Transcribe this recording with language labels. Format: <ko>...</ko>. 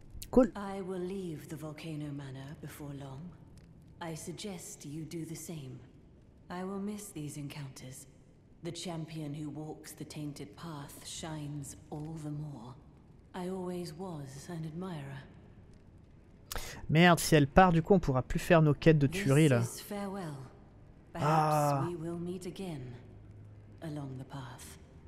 <en>Cool. I will leave the volcano manor before long. I suggest you do the same. I will miss these encounters. The champion who walks the tainted path shines all the more. I always was an admirer.</en> <fr>Merde, si elle part, du coup, on pourra plus faire nos quêtes de tuerie là.</fr> <en>This is farewell. Perhaps we will meet again along the path.</en>